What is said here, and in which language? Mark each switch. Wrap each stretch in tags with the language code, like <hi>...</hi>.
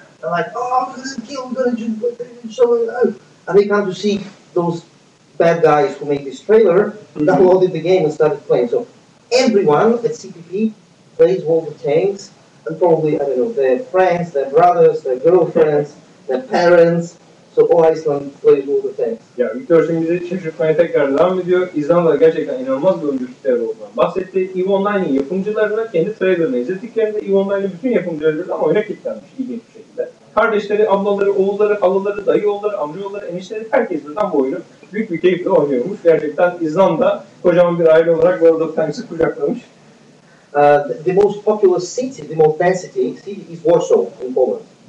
<en>They're like, oh, I'm gonna kill them, I'm gonna show them. And they come to see those bad guys who made this trailer, downloaded the game and started playing. So everyone at CCP plays World of Tanks, and probably, I don't know, their friends, their brothers, their girlfriends, their parents. So all Iceland plays World of Tanks.</en> <tr>Yeah, Victor şimdi bizi şaşırtmaya tekrar devam ediyor. İzlanda'da gerçekten inanılmaz bir oyuncu kitleri olduğundan bahsetti. EVE Online'in yapımcılarına kendi trailerını izlettiklerinde EVE Online'in bütün yapımcıları dedi ama öyle kitlenmiş ilginç bir şekilde. Kardeşleri, ablaları, oğulları, halaları, dayı oğulları, amca oğulları, enişleri, herkes birden bu oyunu büyük bir keyifle oynuyormuş. Gerçekten İzlanda kocaman bir aile olarak World of Tanks'ı kucaklamış.</tr> <en>The most popular city, the most density city is Warsaw in Poland.</en>